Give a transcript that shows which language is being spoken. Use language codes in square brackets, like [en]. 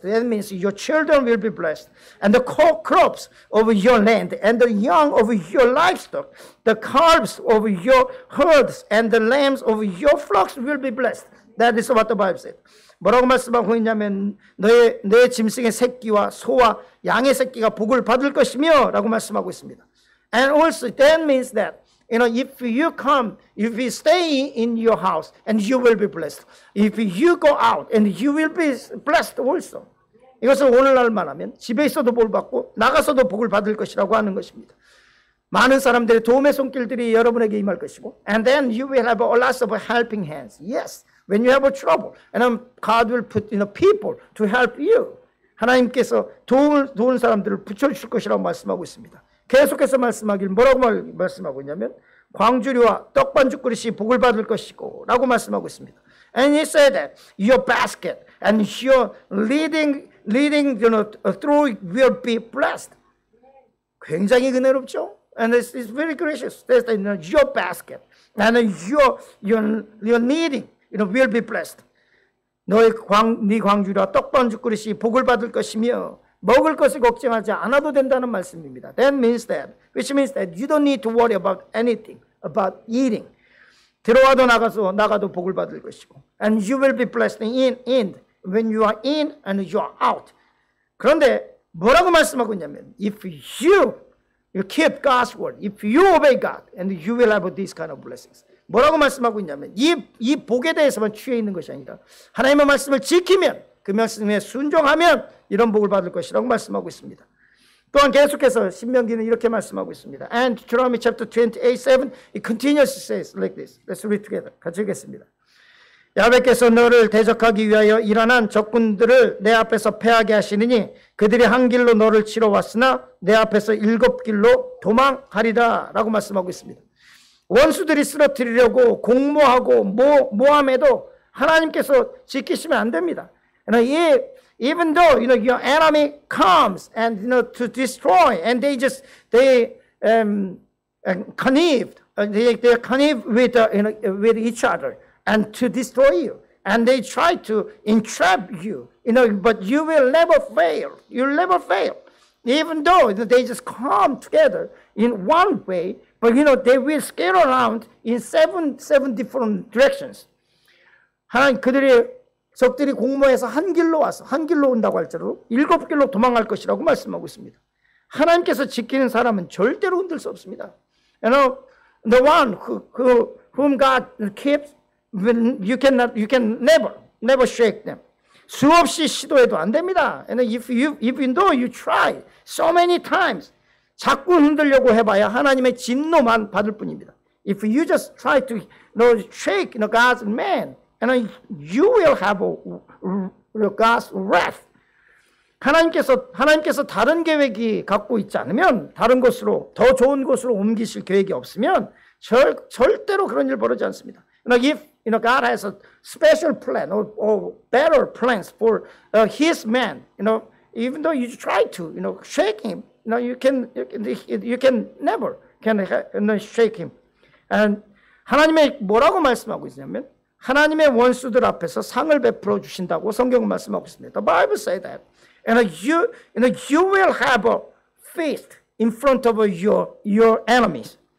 [en] That means your children will be blessed. And the crops of your land and the young of your livestock, the calves of your herds and the lambs of your flocks will be blessed. That is what the Bible said. [ko] 뭐라고 말씀하고 있냐면 너의 짐승의 새끼와 소와 양의 새끼가 복을 받을 것이며 라고 말씀하고 있습니다. [en] And also that means that you know if you come if you stay in your house and you will be blessed. If you go out and you will be blessed also. [ko] 이것은 오늘날 말하면 집에 있어도 복을 받고 나가서도 복을 받을 것이라고 하는 것입니다. 많은 사람들의 도움의 손길들이 여러분에게 임할 것이고 [en] and then you will have a lot of helping hands. Yes. When you have a trouble and then God will put in you know, people to help you. [ko] 하나님께서 도울 사람들을 붙여 주실 것이라고 말씀하고 있습니다. 계속해서 말씀하길 뭐라고 말씀하고 있냐면 광주리와 떡반죽 그릇이 복을 받을 것이고 라고 말씀하고 있습니다. [en] And he said that your basket and your leading you know, through will be blessed. [ko] 굉장히 은혜롭죠? [en] And it's very gracious. That's that, you know, your basket and your leading you know, will be blessed. [ko] 네 광주리와 떡반죽 그릇이 복을 받을 것이며 먹을 것을 걱정하지 않아도 된다는 말씀입니다. [en] That means that, which means that you don't need to worry about anything, about eating. [ko] 들어와도 나가도 복을 받을 것이고. [en] And you will be blessed in, when you are in and you are out. [ko] 그런데 뭐라고 말씀하고 있냐면, [en] if you keep God's word, if you obey God, and you will have these kind of blessings. [ko] 뭐라고 말씀하고 있냐면, 이 복에 대해서만 취해 있는 것이 아니라, 하나님의 말씀을 지키면, 그 말씀에 순종하면 이런 복을 받을 것이라고 말씀하고 있습니다. 또한 계속해서 신명기는 이렇게 말씀하고 있습니다. [en] And Deuteronomy chapter 28:7 it continues to say like this. Let's read together. [ko] 같이 읽겠습니다. 야훼께서 너를 대적하기 위하여 일어난 적군들을 내 앞에서 패하게 하시느니 그들이 한 길로 너를 치러 왔으나 내 앞에서 일곱 길로 도망하리라 라고 말씀하고 있습니다. 원수들이 쓰러뜨리려고 공모하고 모함해도 하나님께서 지키시면 안 됩니다. [en] Even though you know your enemy comes and you know to destroy and they connive with each other and to destroy you and they try to entrap you you know but you will never fail even though you know, they just come together in one way but you know they will scale around in seven different directions. [ko] 하나님 그들이 적들이 공모해서 한 길로 와서 한 길로 온다고 할지라도 일곱 길로 도망갈 것이라고 말씀하고 있습니다. 하나님께서 지키는 사람은 절대로 흔들 수 없습니다. [en] You know, the one whom God keeps, you can never shake them. [ko] 수없이 시도해도 안 됩니다. [en] And even though you try so many times, [ko] 자꾸 흔들려고 해봐야 하나님의 진노만 받을 뿐입니다. [en] If you just try to shake God's man. And you will have God's wrath. [ko] 하나님께서 다른 계획이 갖고 있지 않으면 다른 곳으로 더 좋은 곳으로 옮기실 계획이 없으면 절대로 그런 일 벌어지지 않습니다. [en] You know, if you know God has a special plan or better plans for His man, you know, even though you try to, you know, shake him, you know, you can never can you know, shake him. [ko] And 하나님의 뭐라고 말씀하고 있냐면 하나님의 원수들 앞에서 상을 베풀어 주신다고 성경은 말씀하고 있습니다. [en] The Bible say that. And you will have a feast in front of your enemies.